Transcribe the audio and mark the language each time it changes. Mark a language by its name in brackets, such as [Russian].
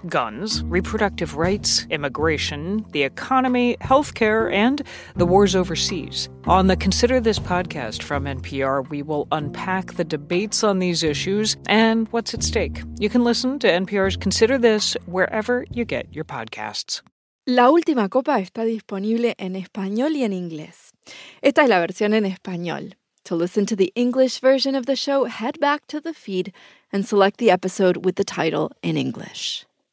[English] Guns, reproductive rights, immigration, the economy, healthcare, and the wars overseas. On the Consider This podcast from NPR, we will unpack the debates on these issues and what's at stake. You can listen to NPR's Consider This wherever you get your podcasts. [Spanish] La última copa está disponible en español y en inglés. Esta es la versión en español. [English] To listen to the English version of the show, head back to the feed and select the episode with the title in English.